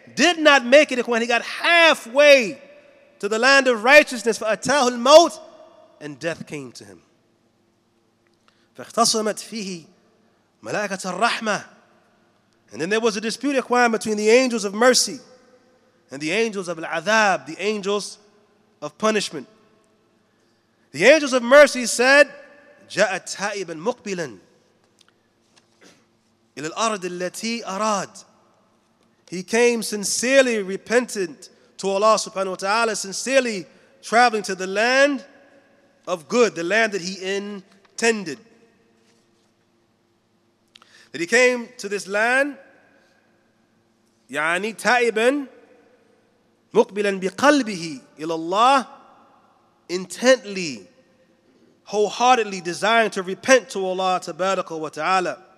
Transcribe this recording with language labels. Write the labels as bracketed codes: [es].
[en] Did not make it, Ikhwan. He got halfway to the land of righteousness, [ar] for atahu al-maut, [en] and death came to him. [ar] فَاخْتَصَمَتْ فِيهِ مَلَائِكَةَ الرَّحْمَةِ. [en] And then there was a dispute, Ikhwan, between the angels of mercy and the angels of al-azab, the angels of punishment. The angels of mercy said, [ar] جَاءَ تَائِبًا مُقْبِلًا إِلَى الْأَرْضِ الَّتِي أَرَادِ. [en] He came sincerely repentant to Allah subhanahu wa ta'ala, sincerely traveling to the land of good, the land that he intended. That he came to this land, [ar] يعني تائباً مُقْبِلًا بِقَلْبِهِ إِلَى اللَّهِ, [en] intently, wholeheartedly desiring to repent to Allah tabaraka wa ta'ala.